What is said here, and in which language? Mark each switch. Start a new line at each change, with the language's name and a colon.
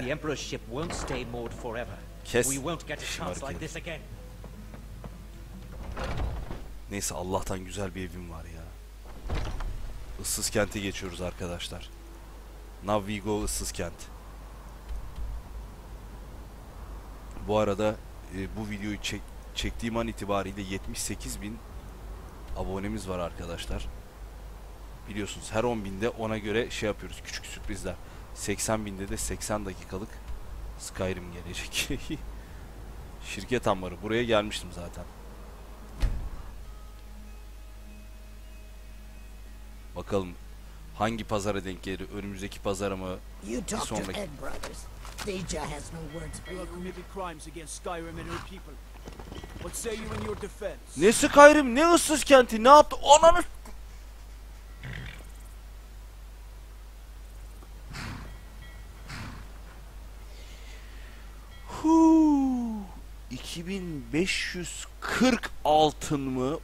English: The Emperor's ship won't stay moored forever.
Turkish: Kes.
English: We won't get a chance like this again.
Turkish: Neyse, Allah'tan güzel bir evim var ya. Issız kente geçiyoruz arkadaşlar. Navigo ıssız kent. Bu arada bu videoyu çektiğim an itibariyle 78.000 abonemiz var arkadaşlar. Biliyorsunuz her 10.000'de ona göre şey yapıyoruz, küçük sürprizler. 80.000'de de 80 dakikalık Skyrim gelecek. Şirket ambarı, buraya gelmiştim zaten. Bakalım hangi pazara denk gelir, önümüzdeki pazara mı, bir sonraki.
English: Deja has no words for you. You committed crimes against Skyrim and her people. What say you in your defense?
Turkish: Ne Skyrim, ne ıssız kenti, ne yaptı onanı? Hu! 2540 altın mı?